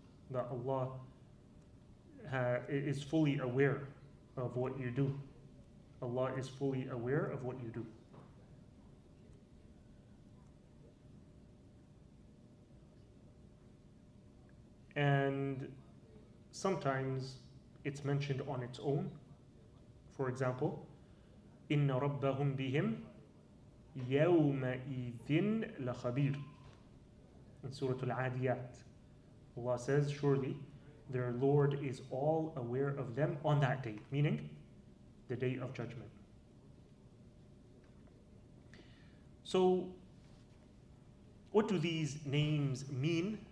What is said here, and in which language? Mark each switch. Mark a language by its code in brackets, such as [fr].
[en] That Allah is fully aware of what you do. Allah is fully aware of what you do. And sometimes it's mentioned on its own. For example, [ar] إِنَّ رَبَّهُمْ بِهِمْ يَوْمَئِذٍ لَخَبِيرٌ. [en] In Surah Al-Adiyat, Allah says, surely their Lord is all aware of them on that day, meaning the Day of Judgment. So, what do these names mean?